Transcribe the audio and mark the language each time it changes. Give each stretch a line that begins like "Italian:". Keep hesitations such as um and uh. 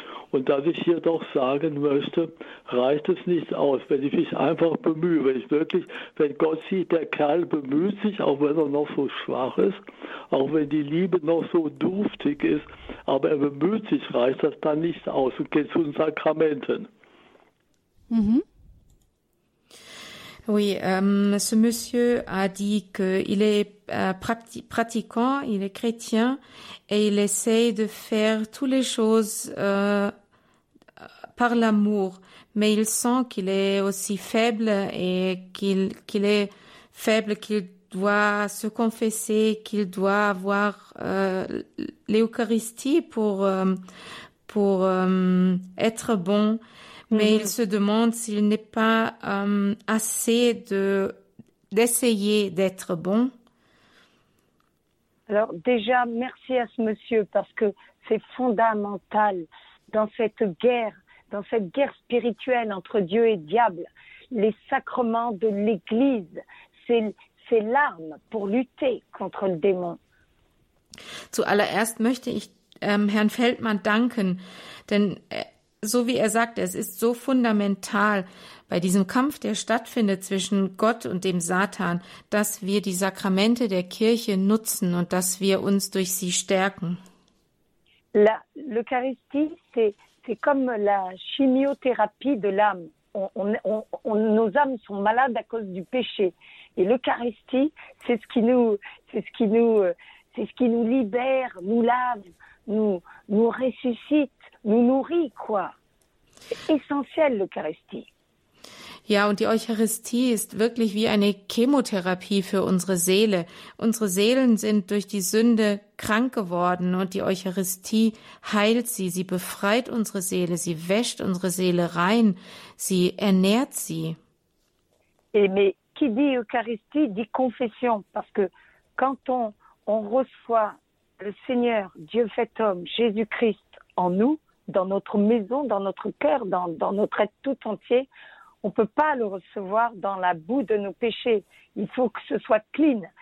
German: Und dass ich hier doch sagen möchte, reicht es nicht aus, wenn ich mich einfach bemühe, wenn ich wirklich, wenn Gott sieht, der Kerl bemüht sich, auch wenn er noch so schwach ist, auch wenn die Liebe noch so dürftig ist, aber er bemüht sich, reicht das dann nicht aus und geht zu den Sakramenten. Mhm.
French: Oui, euh, ce monsieur a dit qu'il est euh, pratiquant, il est chrétien et il essaye de faire toutes les choses euh, par l'amour, mais il sent qu'il est aussi faible et qu'il qu'il est faible, qu'il doit se confesser, qu'il doit avoir l'Eucharistie pour pour être bon mais mmh. il se demande s'il n'est pas euh, assez de d'essayer d'être bon. Alors déjà, merci à ce monsieur parce que c'est fondamental dans cette guerre, dans cette guerre spirituelle entre Dieu et diable. Les sacrements de l'Église, c'est c'est l'arme pour lutter contre le démon.
German: Zuallererst möchte ich ähm, Herrn Feldmann danken, denn äh, so wie er sagte, es ist so fundamental bei diesem Kampf, der stattfindet zwischen Gott und dem Satan, dass wir die Sakramente der Kirche nutzen und dass wir uns durch sie stärken.
French: L'Eucharistie, c'est comme la chimiothérapie de l'âme. nos âmes sont malades à cause du péché. Et l'Eucharistie, c'est ce qui nous, c'est ce qui nous, c'est ce qui nous libère, nous lave, nous, nous ressuscite. nous nourrit, quoi. Essentiel, l'Eucharistie.
German: Ja, und die Eucharistie ist wirklich wie eine Chemotherapie für unsere Seele. Unsere Seelen sind durch die Sünde krank geworden und die Eucharistie heilt sie, sie befreit unsere Seele, sie wäscht unsere Seele rein, sie ernährt sie.
French: Et mais qui dit Eucharistie dit confession, parce que quand on, on reçoit le Seigneur, Dieu fait homme, Jésus-Christ en nous, dans notre maison, dans notre cœur, dans, dans notre être tout entier. On ne peut pas le recevoir dans la boue de nos péchés. Il faut que ce soit clean.